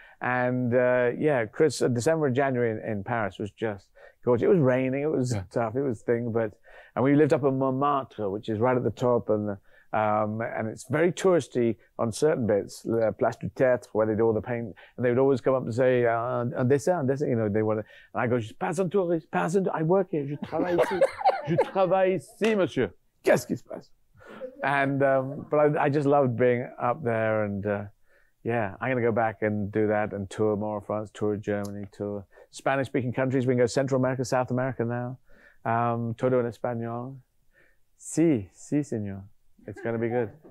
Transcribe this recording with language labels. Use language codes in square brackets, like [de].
[en] And Chris, December and January in Paris was just gorgeous. It was raining, it was tough, it was thing, but, and we lived up in Montmartre, which is right at the top, and it's very touristy on certain bits, the Place du Tertre, where they do all the paint, and they would always come up and say, [fr] un dessin, [en] you know, they want it. And I go, [fr] je suis pas un touriste, pas un touriste, [en] I work here, [fr] je travaille ici, monsieur. Qu'est-ce qui se passe? [en] And, but I just loved being up there and, yeah, I'm going to go back and do that and tour more of France, tour Germany, tour Spanish-speaking countries. We can go Central America, South America now. [es] Todo en español. Sí, señor. [en] It's going to be good.